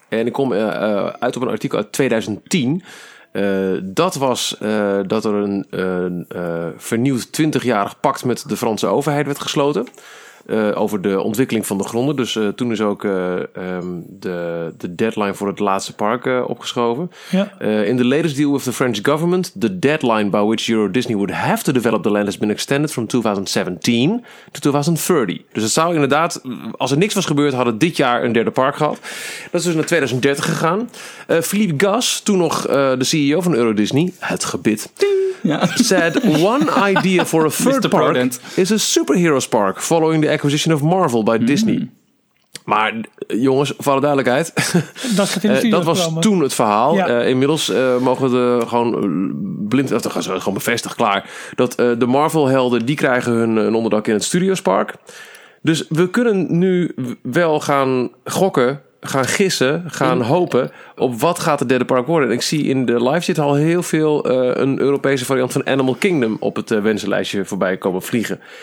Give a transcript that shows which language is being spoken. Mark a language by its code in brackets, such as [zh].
[nl] En ik kom uit op een artikel uit 2010. Dat was dat er een vernieuwd 20-jarig pact met de Franse overheid werd gesloten. Over de ontwikkeling van de gronden. Dus toen is ook de deadline voor het laatste park opgeschoven. Ja. [en] In the latest deal with the French government, the deadline by which Euro Disney would have to develop the land has been extended from 2017 to 2030. [nl] Dus het zou inderdaad, als er niks was gebeurd, hadden dit jaar een derde park gehad. Dat is dus naar 2030 gegaan. Philippe Gas, toen nog de CEO van Euro Disney, het gebit. [en] Said one idea for a third park is a superheroes park following the acquisition of Marvel by Disney. [nl] Maar jongens, voor alle duidelijkheid, dat was toen het verhaal. Ja. Inmiddels mogen we gewoon blind, of gewoon bevestigd, klaar, dat de Marvel-helden die krijgen hun onderdak in het Studios Park. Dus we kunnen nu wel gaan gokken, gaan gissen, gaan hopen op wat gaat het derde park worden. En ik zie in de live chat al heel veel een Europese variant van Animal Kingdom op het wensenlijstje voorbij komen vliegen.